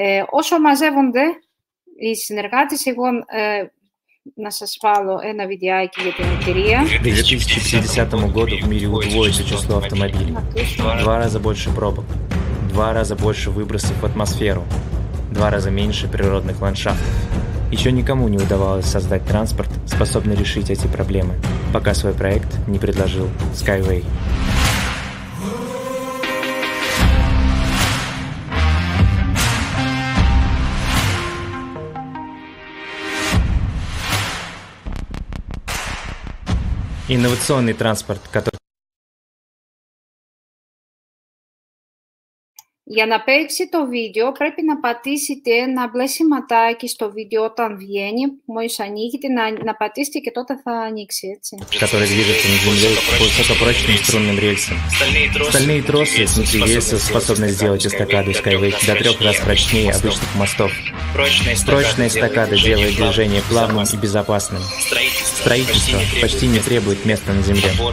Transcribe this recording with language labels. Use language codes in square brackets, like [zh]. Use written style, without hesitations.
[el] Όσο μαζεύονται οι συνεργάτες, εγώ να σας βάλω ένα βιντεάκι για την εταιρεία. [ru] Еще никому не удавалось создать транспорт, способный решить эти проблемы, пока свой проект не предложил Skyway. Инновационный транспорт, который... [el] Για να παίξει το βίντεο, πρέπει να πατήσετε ένα μπλε σηματάκι στο βίντεο όταν βγαίνει. Μόλις ανοίγετε, να πατήσετε και τότε θα ανοίξει, έτσι. [ru] Которые движутся на земле по высокопрочным струнным рельсам. Стальные тросы с нитью рельсов способны сделать эстакаду Skyway до 3 раз прочнее обычных мостов. Прочная эстакада делает движение плавным и безопасным. Строительство почти не требует места на земле.